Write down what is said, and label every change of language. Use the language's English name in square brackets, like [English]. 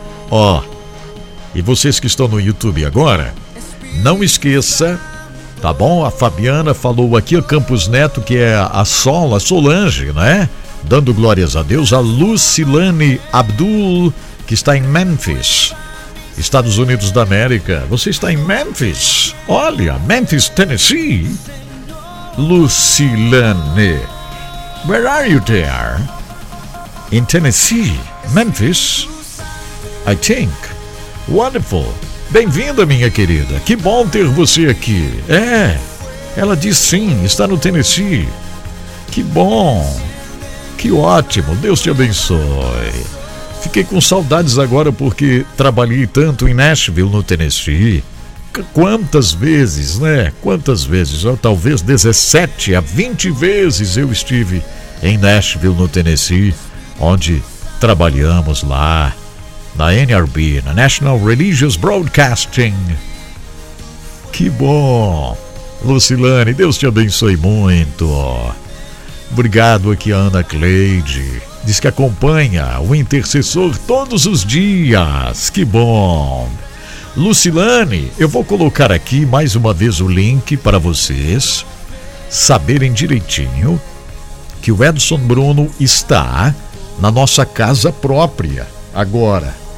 [Portuguese] Ó, e vocês que estão no YouTube agora, não esqueça, tá bom? A Fabiana falou aqui, o Campos Neto, que é a Solange, né? Dando glórias a Deus. A Lucilane Abdul, que está em Memphis, Estados Unidos da América. Você está em Memphis? Olha, Memphis, Tennessee. [English] Lucilane, where are you there? In Tennessee, Memphis, I think. Wonderful. [Portuguese] Bem-vinda, minha querida. Que bom ter você aqui. É, ela diz sim, está no Tennessee. Que bom. Que ótimo. Deus te abençoe. Fiquei com saudades agora porque trabalhei tanto em Nashville, no Tennessee. Quantas vezes, né? Quantas vezes? Talvez 17 a 20 vezes eu estive em Nashville, no Tennessee, onde trabalhamos lá. Na NRB, na National Religious Broadcasting. Que bom. Lucilane, Deus te abençoe muito. Obrigado aqui a Ana Cleide. Diz que acompanha o Intercessor todos os dias. Que bom. Lucilane, eu vou colocar aqui mais uma vez o link para vocês saberem direitinho que o Edson Bruno está na nossa casa própria agora.